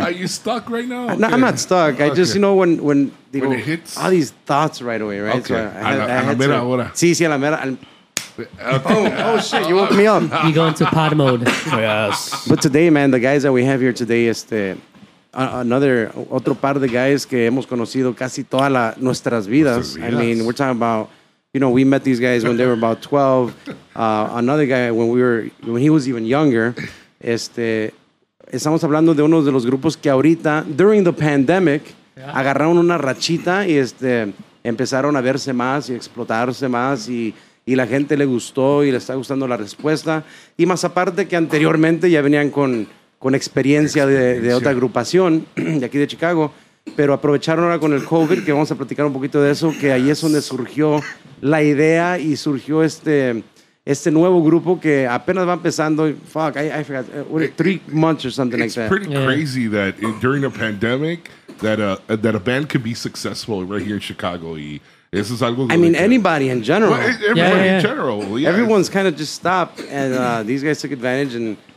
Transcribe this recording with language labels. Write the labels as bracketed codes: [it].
[en] Are you stuck right now? No, okay. I'm not stuck. Okay. I just, you know, when you know, it hits? All these thoughts right away, right? Okay. So I had a [es] mera hora. Sí, a la mera. [en] Oh, shit. You woke me up. You go into pod mode. Yes. But today, man, the guys that we have here today, este... [es] Otro par de guys que hemos conocido casi toda la nuestras vidas. [en] I mean, we're talking about, you know, we met these guys when they were about 12. Another guy when he was even younger. [es] Este, estamos hablando de uno de los grupos que ahorita, [en] during the pandemic, [es] agarraron una rachita y este, empezaron a verse más y explotarse más y la gente le gustó y le está gustando la respuesta. Y más aparte que anteriormente ya venían con experiencia de otra agrupación de aquí de Chicago, pero aprovecharon ahora con el COVID, que vamos a platicar un poquito de eso, que ahí es donde surgió la idea y surgió este nuevo grupo que apenas va empezando. [en] Fuck, I forgot. Three months or something like that. It's pretty crazy that during a pandemic that a band could be successful right here in Chicago. [es] Eso es algo. [en] I mean, anybody in general. Everybody in general. Yeah. Everyone's kind of just stopped, and these guys took advantage and